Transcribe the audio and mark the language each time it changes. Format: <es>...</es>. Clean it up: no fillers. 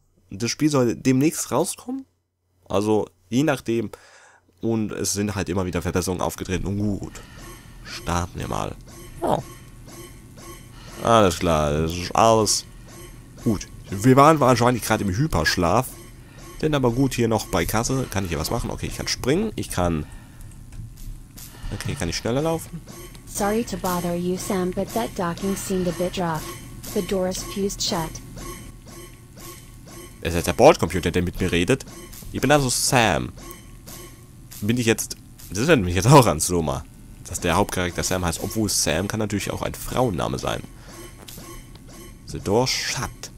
<de>Das Spiel soll demnächst rauskommen, also je nachdem, und es sind halt immer wieder Verbesserungen aufgetreten. Und gut, starten wir mal. Ja. Alles klar, das ist alles gut. Wir waren wahrscheinlich gerade im Hyperschlaf, denn aber gut, hier noch bei Kasse, kann ich hier was machen? Okay, ich kann springen, ich kann... Okay, kann ich schneller laufen?</de> <en>Sorry to bother you, Sam, but that docking seemed a bit rough. The door is fused shut.</en> <de>Es ist der Bordcomputer, der mit mir redet. Ich bin also Sam. Bin ich jetzt... Das nennt mich jetzt auch an Soma. Dass der Hauptcharakter Sam heißt, obwohl Sam kann natürlich auch ein Frauenname sein.</de> <en>The door shut.</en>